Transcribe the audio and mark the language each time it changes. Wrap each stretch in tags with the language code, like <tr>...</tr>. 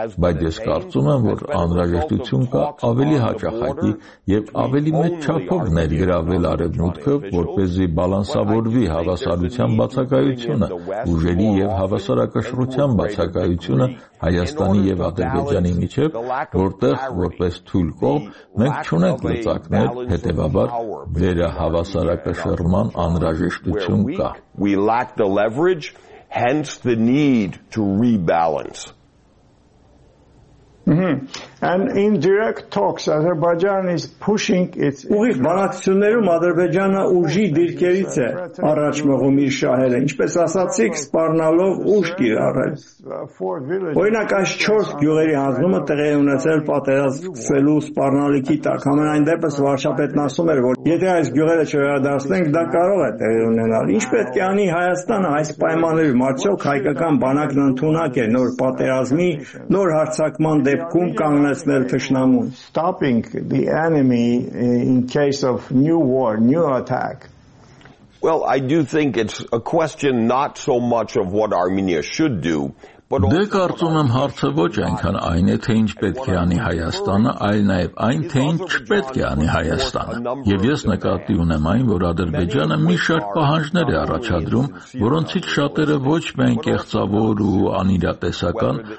<hy>բայց ես կարծում եմ, որ անհրաժեշտություն կա ավելի հաճախակի և ավելի մեծ չափով ներգրավել Արևմուտքը, որպեսզի բալանսավորվի հավասարության բացակայությունը, ուժերի և հավասարակշռության բացակայությունը Հայաստանի և Ադրբեջանի միջև, որտեղ որպես թույլ կողմ մենք չունենք լծակներ, հետևաբար վերահավասարակշռման անհրաժեշտություն կա։</hy> <en>We lack the leverage, hence the need to rebalance. And in direct talks, Azerbaijan is pushing its...</en> <hy>Ուղիղ բանակցություններում Ադրբեջանը ուժի դիրքերից է առաջ մղում իր շահերը, ինչպես ասացիք, սպառնալով ուժ կիրառել։ Օրինակ այս չորս գյուղերի հանձնումը տեղի ունեցել պատերազմելու սպառնալիքի տակ, համենայն դեպս վարչապետն ասում էր, որ եթե այս գյուղերը չվերադարձնենք, դա կարող է տեղի ունենալ։ Ինչ պետք է անի Հայաստանը այս պայմաններում, արդյոք հայկական բանակն ընդունակ է նոր պատերազմի, նոր հարձակման դեպքում կանգնեցնել թշնամուն?</hy> <en>Stopping the enemy in case of new war, new attack. Well, I do think it's a question not so much of what Armenia should do, but</en> <hy>դե կարծում եմ հարցը ոչ այնքան այն է, թե ինչ պետք է անի Հայաստանը, այլ նաև այն, թե ինչ պետք է անի Հայաստանը։ Եվ ես նկատի ունեմ այն, որ Ադրբեջանը մի շարք պահանջներ է առաջադրում, որոնցից շատերը ոչ միայն կեղծավոր ու անիրատեսական,</hy>